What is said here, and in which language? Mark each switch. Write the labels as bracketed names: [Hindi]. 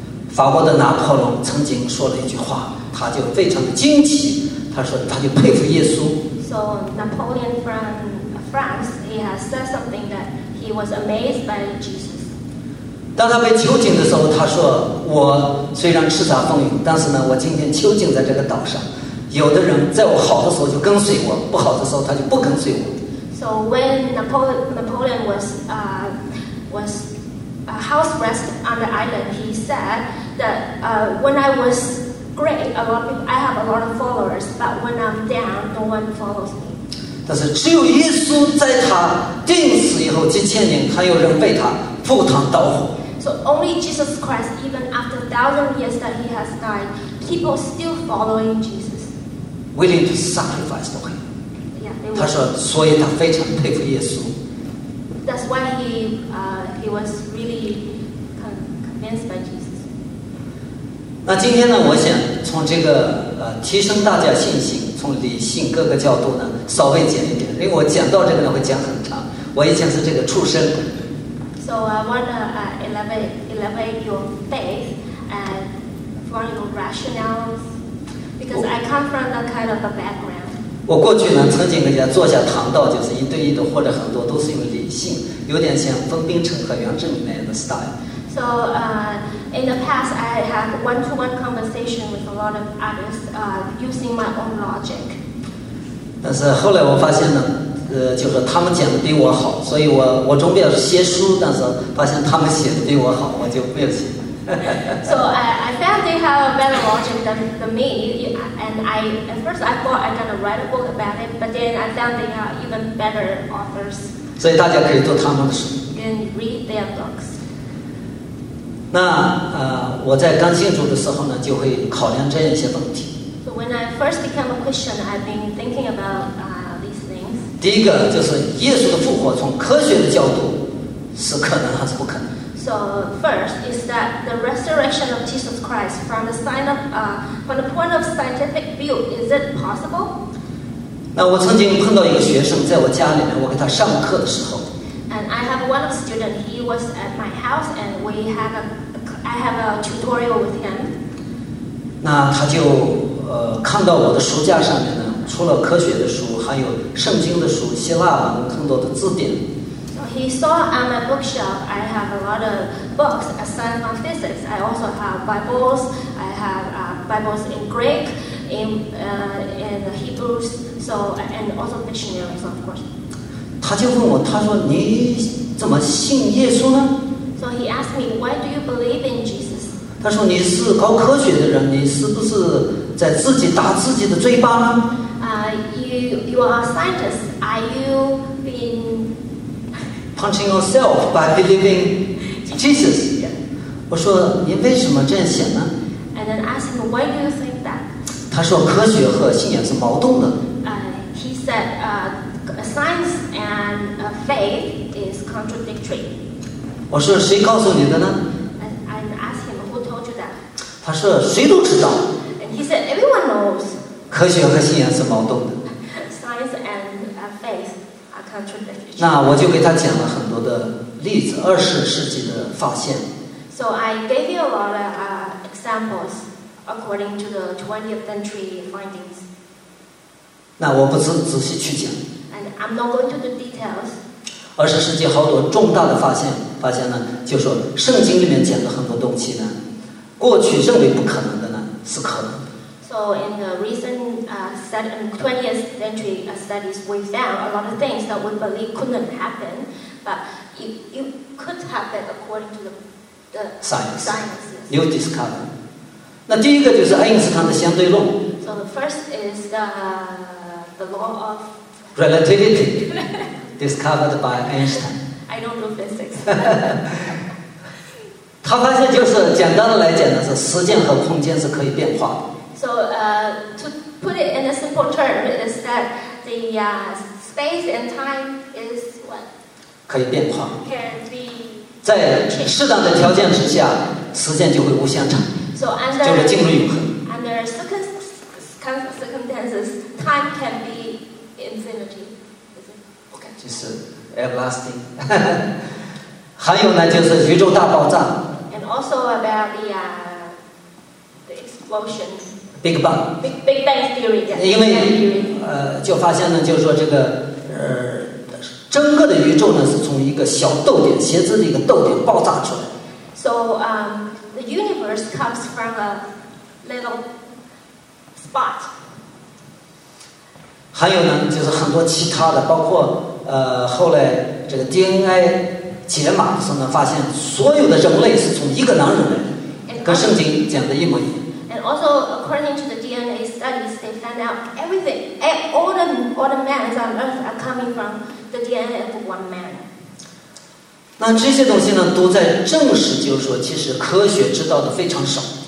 [Chinese] 法国的拿破仑曾经说了一句话，他就非常的惊奇，他说他就佩服耶稣。 [English] So Napoleon from France, he has said something that he was amazed by Jesus. [Chinese] 当他被囚禁的时候，他说：“我虽然叱咤风云，但是呢，我今天囚禁在这个岛上，有的人在我好的时候就跟随我，不好的时候他就不跟随我。” [English] So when Napoleon was was house rest on the island, he said that when I was great, a lot of people, I have a lot of followers, but when I'm down, no one follows me. [Chinese] 但是只有耶稣在他定死以后几千年，还有人为他赴汤蹈火。 [English] So only Jesus Christ, even after 1,000 years that he has died, people still following Jesus. Willing to sacrifice for him. Yeah, they will. [Chinese] 他说，所以他非常佩服耶稣。 [English] That's why he was really convinced by Jesus. [Chinese] 那今天呢，我想从这个提升大家信心，从理性各个角度呢，稍微讲一点，因为我讲到这个呢会讲很长。我以前是这个出身。 [English] So I wanna elevate your faith and from your rationales, because I come from that kind of a background. [Chinese] 我过去呢曾经给人家做下堂道，就是一对一的或者很多，都是用理性，有点像冯冰程和杨振宁的 style. [English] So in the past, I have one-to-one conversation with a lot of others using my own logic. [Chinese] 但是后来我发现呢，就是他们讲的比我好，所以我准备要写书，但是发现他们写的比我好，我就不要写。 [English] So I found they have a better logic than me, and I at first I thought I'm gonna write a book about it, but then I found they have even better authors. [Chinese] 所以大家可以读他们的书。 [English] Can read their books. [Chinese] 那我在刚信主的时候呢，就会考量这样一些问题。 [English] When I first became a Christian, I've been thinking about these things. [Chinese] 第一个就是耶稣的复活，从科学的角度是可能还是不可能 [English] ？So first is that the resurrection of Jesus Christ from the point of scientific view, is it possible? [Chinese] 那我曾经碰到一个学生，在我家里面，我给他上课的时候。 [English] And I have one of student. He was at my house, and I have a tutorial with him. [Chinese] 那他就。看到我的书架上面呢，除了科学的书，还有圣经的书、希腊文更多的字典。 [English] So he saw on my bookshelf, I have a lot of books aside from physics. I also have Bibles. I have Bibles in Greek, in the Hebrews, so and also dictionaries, of course. [Chinese] 他就问我，他说你怎么信耶稣呢 [English] ？So he asked me, why do you believe in Jesus? [Chinese] 他说你是搞科学的人，你是不是？在自己打自己的嘴巴呢？ [English] You are a scientist. Are you being punching yourself by believing Jesus? [Chinese] 我说你为什么这样想呢 [English] ？And then ask him why do you think that? [Chinese] 他说科学和信仰是矛盾的。 [English] He said, science and faith is contradictory. [Chinese] 我说谁告诉你的呢 [English] ？And ask him who told you that? [Chinese] 他说谁都知道。 [English] He said, "Everyone knows." [Chinese] 科学和信仰是矛盾的。 [English] Science and faith are contradictory. [Chinese] 那我就给他讲了很多的例子，二十世纪的发现。 [English] So I gave you a lot of examples according to the 20th century findings. [Chinese] 那我不是仔细去讲。 [English] And I'm not going to the details. [Chinese] 二十世纪好多重大的发现呢，就说圣经里面讲的很多东西呢，过去认为不可能。是可能的。 [English] So in the recent 20th century studies, we found a lot of things that we believe couldn't happen, but it could happen according to the science. New discovery. [Chinese] 那第一个就是爱因斯坦的相对论。 [English] So the first is the law of relativity discovered by Einstein. I don't know physics. [Chinese] 他发现就是简单的来讲呢，是时间和空间是可以变化的。 [English] So to put it in a simple term is that the space and time is what [Chinese] 可以变化。 [English] Can be [Chinese] 在适当的条件之下，时间就会无限长。 [English] So under [Chinese] 就是进入永恒。 [English] Under circumstances, time can be infinity. Okay. [Chinese] 就是 everlasting. 还有呢，就是宇宙大爆炸。 [English] Also about the explosion. Big Bang. Big Bang theory. Yes. [Chinese] 因为就发现呢，就是说这个整个的宇宙呢，是从一个小豆点、鞋子的一个豆点爆炸出来。 [English] So the universe comes from a little spot. [Chinese] 还有呢，就是很多其他的，包括后来这个 DNA 解码的时候呢，发现所有的人类是从一个男人来，跟圣经讲的一模一样。 [English] And also according to the DNA studies, they found out everything, all the men on earth are coming from the DNA of one man. [Chinese] 那这些东西呢，都在证实，就是说，其实科学知道的非常少。